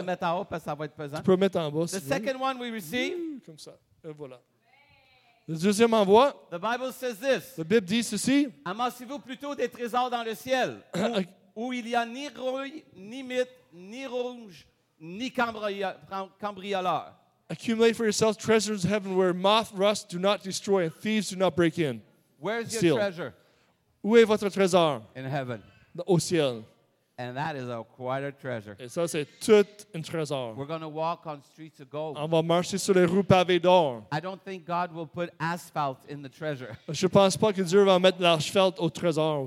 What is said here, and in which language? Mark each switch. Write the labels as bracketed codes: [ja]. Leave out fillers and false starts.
[fr] De le mettre en haut parce que ça va être pesant. Tu peux mettre en bas. [en] The second one we receive. [fr] Comme ça. Et voilà. Le deuxième envoi. [en] The Bible says this. [fr] La Bible dit ceci. Amassez-vous plutôt des trésors dans le ciel, où il n'y a ni rouille, ni mythe, ni rouge, ni cambrioleur. [en] Accumulate for yourselves treasures in heaven where moth rust do not destroy and thieves do not break in. Where's your treasure? [fr] Où est votre trésor? [en] In heaven. [fr] Au ciel. [en] And that is quite a treasure. [fr] Et ça, c'est tout un trésor. [en] We're going to walk on streets of gold. [fr] On va marcher sur les rues pavées d'or. [en] I don't think God will put asphalt in the treasure. [fr] Je pense pas que Dieu va mettre l'asphalte au trésor au